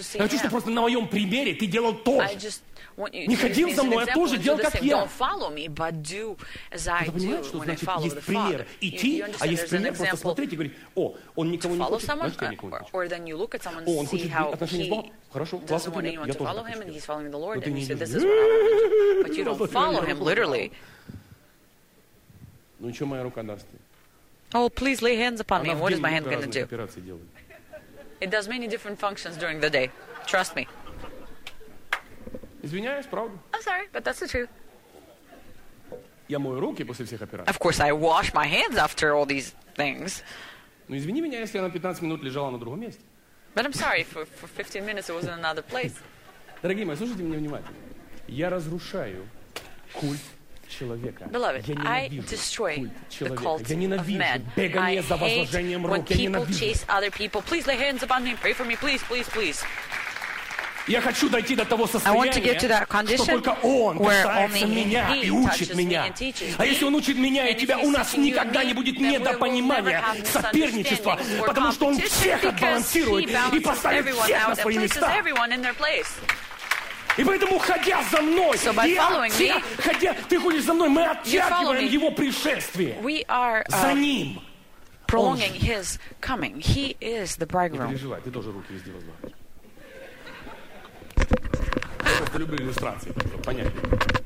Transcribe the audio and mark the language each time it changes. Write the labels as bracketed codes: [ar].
[ru] Я хочу, чтобы просто на моем примере ты делал то же. Не ходил за мной, а тоже делал, как я. [en] Don't follow me, but do as I do. [ru] Ты понимаешь, что значит есть пример идти, а есть пример просто смотреть и говорить: о, он никого не хочет, значит, я никого не хочу. [en] Or then you look at someone and see how he [ru] хорошо, классный пример, я тоже так хочу. Но ты не идешь. [en] But you don't follow him, literally. [ru] Ну и что моя рука даст? [en] Oh, please lay hands upon me. What is my hand going to do? [ru] Операции делают. [en] It does many different functions during the day. Trust me. [ru] Извиняюсь, правда. [en] I'm sorry, but that's the truth. [ru] Я мою руки после всех операций. [en] Of course, I wash my hands after all these things. [ru] Ну, извини меня, если я на 15 минут лежала на другом месте. [en] But I'm sorry, for 15 minutes it was in another place. [ru] Дорогие мои, слушайте меня внимательно. Я разрушаю культ [en] Beloved, I destroy the cult of man. I hate when people chase other people. Please lay hands upon me. Pray for me. Please, please, please. I want to get to that condition where only he touches me and teaches me. And if he's teaching you and me, then we will never have misunderstanding or competition because he balances everyone out and places everyone in their place. [ru] И поэтому, ходя за мной, [en] so by following [ru] отя... [en] me, [ru] ходя, ты ходишь за мной, мы оттягиваем его пришествие. [en] We are [ru] за ним. [en] Prolonging his coming. He is the bridegroom. [ru] Не переживай, ты тоже руки везде возлагаешь. Просто люблю иллюстрации. Понятно.